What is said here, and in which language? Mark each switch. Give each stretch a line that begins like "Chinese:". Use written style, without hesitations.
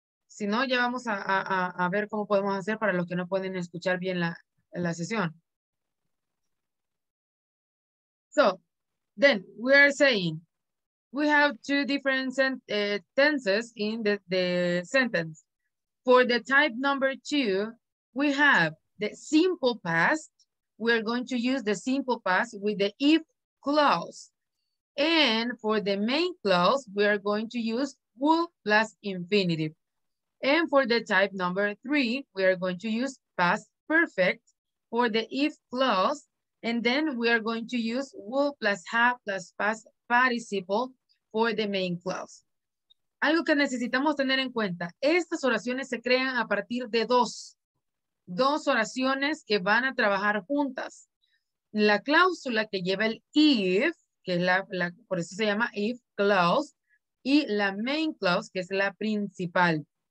Spanish: Si no, ya vamos a ver cómo podemos hacer para los que no pueden escuchar bien la sesión.
English: So, then we are saying, we have two different tenses in the sentence. For the type number two, we have the simple past. We're going to use the simple past with the if clause. And for the main clause, we are going to use would plus infinitive. And for the type number three, we are going to use past perfect for the if clause. And then we are going to use would plus have plus past participle for the main clause.
Spanish: Algo que necesitamos tener en cuenta, estas oraciones se crean a partir de dos. Dos oraciones que van a trabajar juntas. La cláusula que lleva el if, que es la por eso se llama if clause, y la main clause, que es la principal.